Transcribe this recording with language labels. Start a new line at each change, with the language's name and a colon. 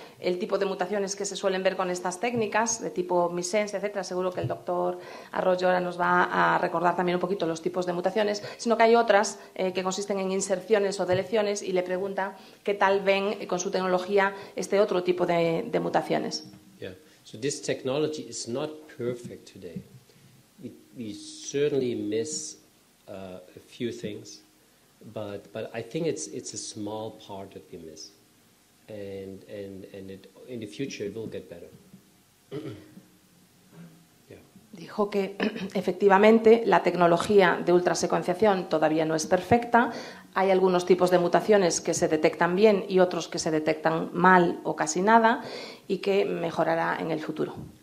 Spanish: El tipo de mutaciones que se suelen ver con estas técnicas, de tipo missense, etcétera, seguro que el doctor Arroyo ahora nos va a recordar también un poquito los tipos de mutaciones, sino que hay otras que consisten en inserciones o deleciones, y le pregunta qué tal ven con su tecnología este otro tipo de mutaciones.
English: Yeah. So this technology is not perfect today. We certainly miss a few things, but I think it's a small part that we miss. And it, in the future it will get better. Yeah.
Spanish: Dijo que efectivamente la tecnología de ultrasecuenciación todavía no es perfecta. Hay algunos tipos de mutaciones que se detectan bien y otros que se detectan mal o casi nada, y que mejorará en el futuro.